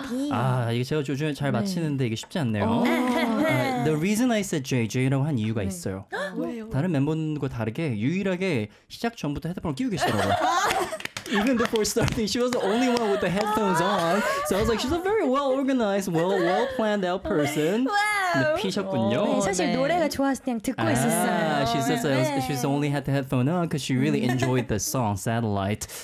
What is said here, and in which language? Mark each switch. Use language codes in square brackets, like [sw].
[ko] 아 이게 제가 요즘에 잘 맞히는데 이게 쉽지 않네요. [en] The reason I said [ko] JJ라고 한 이유가 있어요. 다른 멤버들과 다르게 유일하게 시작 전부터 헤드폰을 끼고 계시더라고요. [en] Even before starting, she was the only one with the headphones on. So I was like, she's a very well-organized, well-planned out person. Wow. [ko] 피셨군요. 사실 노래가 좋아서 그냥 듣고 있었어요. [en] She's only had the headphone on because she really enjoyed the song, Satellite.